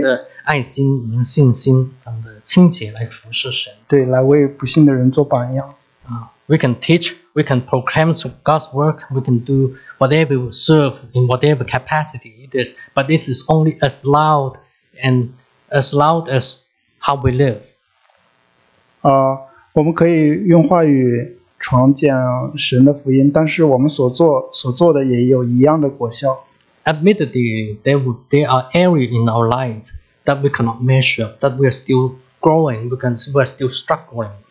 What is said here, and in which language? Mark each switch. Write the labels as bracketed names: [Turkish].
[Chinese] 的爱心、信心等的清洁来服侍神，对，来为不信的人做榜样。 [English] We can teach, we can proclaim God's work, we can do whatever we serve in whatever capacity it is, but this is only as loud and as loud as how we live. [Chinese] 我们可以用话语传讲神的福音，但是我们所做的也有一样的果效。 [English] Admittedly, there are areas in our life that we cannot measure, that we are still growing, we are still struggling.